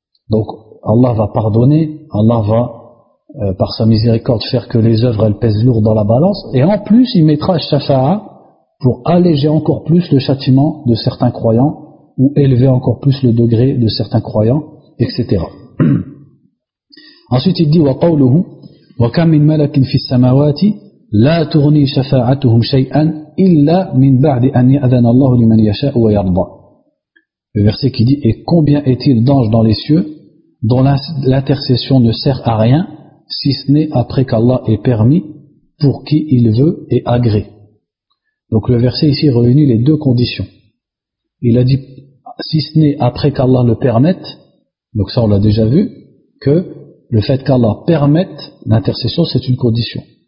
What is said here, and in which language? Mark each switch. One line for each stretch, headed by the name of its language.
French: Donc Allah va pardonner, Allah va par sa miséricorde faire que les œuvres elles pèsent lourd dans la balance, et en plus il mettra Shafa'a pour alléger encore plus le châtiment de certains croyants ou élever encore plus le degré de certains croyants, etc. Ensuite il dit
Arabic: وَقَوْلُهُ وَكَمْ مِنْ مَلَكٍ فِي السَّمَوَاتِ لَا تُغْنِي شَفَاعَتُهُمْ شَيْئًا إِلَّا مِنْ بَعْدِ أَنْ يَأْذَنَ اللَّهُ لِمَنْ يَشَاءُ وَيَرْضَى.
French: Le verset qui dit et combien est-il d'anges dans les cieux dont l'intercession ne sert à rien si ce n'est après qu'Allah ait permis pour qui il veut et agré. Donc le verset ici réunit les deux conditions. Il a dit si ce n'est après qu'Allah le permette, donc ça on l'a déjà vu, que le fait qu'Allah permette l'intercession c'est une condition.